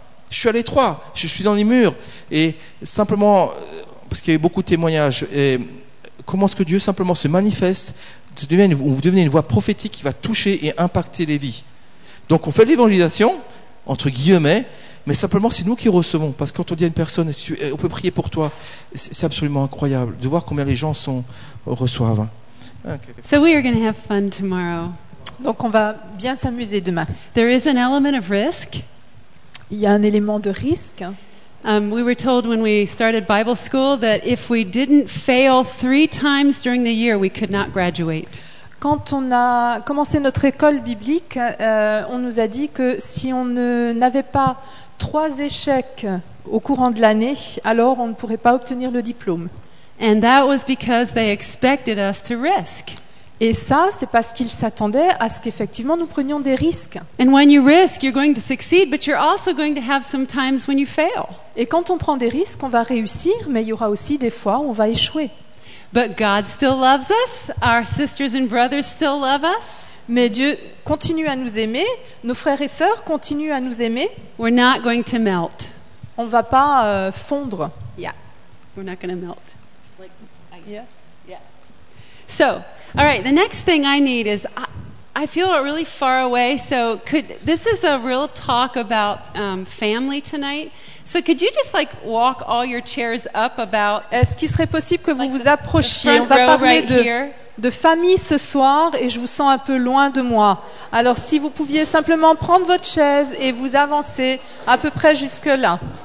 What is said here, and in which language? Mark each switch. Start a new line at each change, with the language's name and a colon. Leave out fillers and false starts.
French: Je suis à l'étroit, je suis dans les murs. Et simplement, parce qu'il y a eu beaucoup de témoignages, et comment est-ce que Dieu simplement se manifeste, vous devenez une voix prophétique qui va toucher et impacter les vies. Donc on fait de l'évangélisation, entre guillemets, mais simplement c'est nous qui recevons. Parce que quand on dit à une personne, on peut prier pour toi, c'est absolument incroyable de voir combien les gens reçoivent.
English: Okay. So we are going to have fun tomorrow.
French: Donc on va bien s'amuser demain.
English: There is an element of risk.
French: Il y a un élément de risque.
English: We were told when we started Bible school that if we didn't fail three times during the year, we could not graduate.
French: Quand on a commencé notre école biblique, on nous a dit que si on n'avait pas trois échecs au courant de l'année, alors on ne pourrait pas obtenir le diplôme.
English: And that was because they expected us to risk.
French: Et ça, c'est parce qu'ils s'attendaient à ce qu'effectivement nous prenions des risques.
English: And when you risk, you're going to succeed, but you're also going to have some times when you fail.
French: Et quand on prend des risques, on va réussir, mais il y aura aussi des fois où on va échouer.
English: But God still loves us. Our sisters and brothers still love us.
French: Mais Dieu continue à nous aimer. Nos frères et sœurs continuent à nous aimer.
English: We're not going to melt.
French: On ne va pas fondre.
English: Yeah, we're not going to melt. Like, yes. Yeah. So. All right, the next thing I need is I feel really far away, so this is a real talk about family tonight. So could you just like walk all your chairs up about?
French: Est-ce qu'il serait possible que vous vous approchiez? On va parler de famille ce soir et je vous sens un peu loin de moi. Alors si vous pouviez simplement prendre votre chaise et vous avancer à peu près jusque là.